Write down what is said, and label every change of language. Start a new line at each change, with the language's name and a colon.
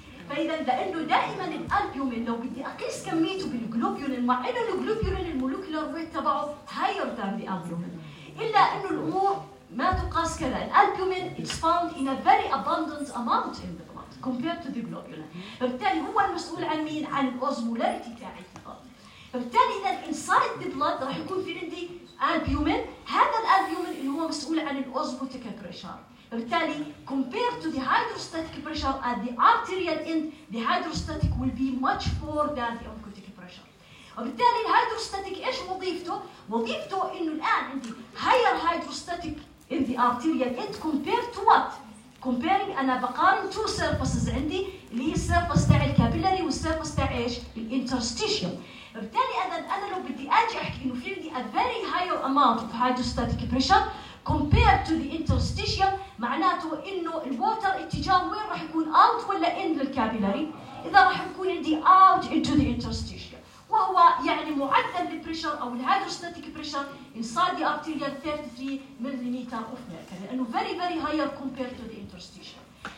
Arabic: فإذا لأنه دائما الألبيومين لو بدي أقيس كميته بالجلوبيون مع إنه الجلوبيون المولوكيولار ويت تبعه هاير ذان ذا ألبيومين، إلا إنه الأمور ما تقاس كذا.
English: الألبيومين is found in a very abundant amount in the blood compared to the globulin.
Arabic: فبالتالي هو المسؤول عن مين؟ عن الأوزمولاريتي تاعي. فبالتالي إذا inside the blood راح يكون في عندي ألبيومين، هذا الألبيومين اللي هو مسؤول عن الأوزموتيك بريشر.
English: بالتالي compared to the hydrostatic pressure at the arterial end, the hydrostatic will be much more than the oncotic pressure.
Arabic: وبالتالي الهيدروستاتيك إيش وظيفته؟ وظيفته إنه الآن عندي higher hydrostatic in the arterial end compared to what? Comparing أنا بقارن two surfaces عندي اللي هي surface تاع الكابيلاري والsurface تاع إيش؟ the interstitial. وبالتالي أنا لو بدي أجي أحكي إنه في عندي a very higher amount of hydrostatic pressure compared to the interstitial معناته إنه الووتر اتجاه وين راح يكون out ولا in للكابيلاري؟ إذا راح يكون عندي out into the interstitial وهو يعني معدل البريشر أو الهيدروستاتيك بريشر inside the arterial 33 ملليمتر أوف مركري لأنه very very higher compared to the interstitial.